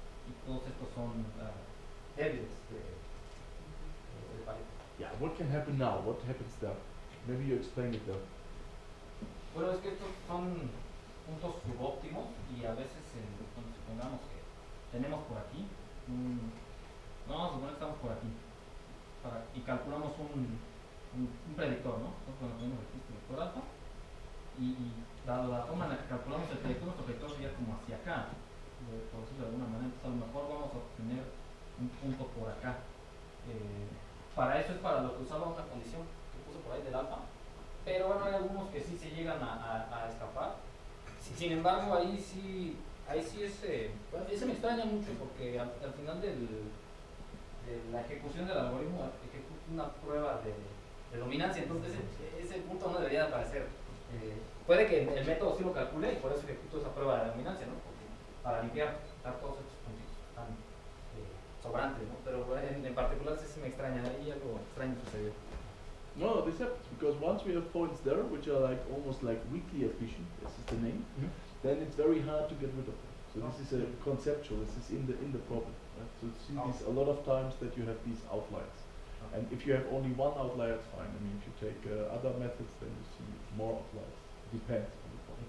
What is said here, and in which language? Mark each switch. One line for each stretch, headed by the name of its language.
Spanish: Y todos estos son evidence de
English: Yeah, what can happen now? What happens there? Maybe you explain it though.
Spanish: Bueno, es que estos son puntos subóptimos y a veces cuando supongamos que tenemos por aquí, supongamos que estamos por aquí y calculamos un predictor, ¿no? Entonces cuando tenemos aquí este predictor y dado la forma en la que calculamos el predictor, nuestro predictor sería como hacia acá, por decirlo de alguna manera, entonces a lo mejor vamos a obtener un punto por acá. Para eso es para lo que usaba una condición que puso por ahí del alfa, pero bueno, hay algunos que sí se llegan a escapar. Sí. Sin embargo, ahí sí ese me extraña mucho, porque al final de la ejecución del algoritmo ejecuta una prueba de dominancia, entonces ese punto no debería aparecer. Puede que el método sí lo calcule y por eso ejecuto esa prueba de dominancia, ¿no? Porque para limpiar todos estos puntos tan sobrantes, ¿no? Pero en particular sí se me extraña, ahí algo extraño sucedió.
English: No, this happens because once we have points there which are like almost like weakly efficient, this is the name, then it's very hard to get rid of them. So this is a conceptual, this is in the problem. Right? So see this a lot of times that you have these outliers. Okay. And if you have only one outlier, it's fine. I mean, if you take other methods, then you see more outliers. It depends on the problem.